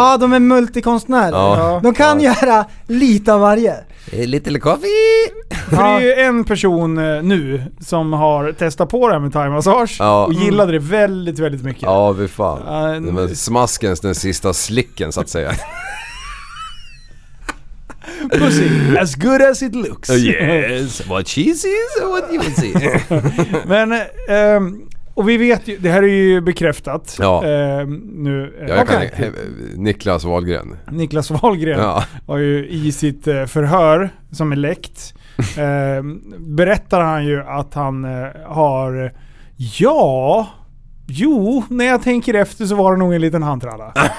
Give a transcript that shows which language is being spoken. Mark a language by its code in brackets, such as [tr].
[sv] Ja, de är multikonstnärer. Ja. De kan, ja, göra lite av varje. [en] Little coffee. [sv] Det är ju en person nu som har testat på det här med thai-massage, ja, och gillade det väldigt, väldigt mycket. Ja, vi fan. Smaskens den sista slicken så att säga. [en] Pussy, as good as it looks. Oh, yes, what she sees or what you see. [sv] Men, och vi vet ju, det här är ju bekräftat. Ja. Nu, ja, jag kan, okay. Niklas Wahlgren. Niklas Wahlgren, ja, har ju i sitt förhör som är läckt, berättar han ju att han har, ja, jo, när jag tänker efter så var det nog en liten handtralla.